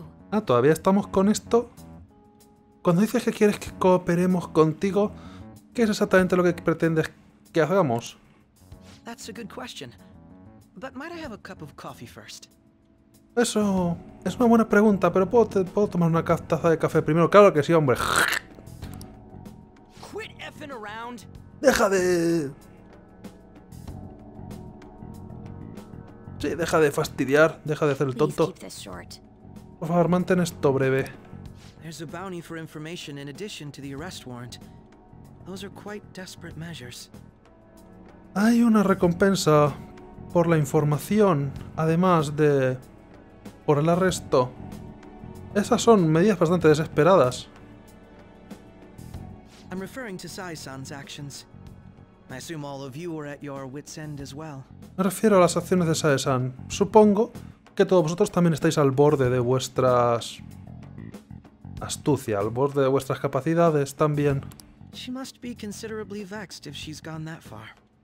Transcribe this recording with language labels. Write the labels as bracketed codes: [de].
[es] Ah, ¿todavía estamos con esto? Cuando dices que quieres que cooperemos contigo, ¿Qué es exactamente lo que pretendes que hagamos? [en] That's a good question. But might I have a cup of coffee first? [es] Eso es una buena pregunta, pero ¿puedo tomar una taza de café primero? Claro que sí, hombre. [en] Quit effing around. [es] Deja de... Sí, deja de fastidiar, deja de hacer el tonto. Por favor, mantén esto breve. [en] There's a bounty for information in addition to the arrest warrant. Those are quite desperate measures. [es] Hay una recompensa por la información, además de por el arresto. Esas son medidas bastante desesperadas. [en] I'm referring to Sai-san's actions. I assume all of you are at your wit's end as well. [es] Me refiero a las acciones de Sai-san. Supongo que todos vosotros también estáis al borde de vuestras astucia, al borde de vuestras capacidades también. [en] She must be considerably vexed if she's gone that far.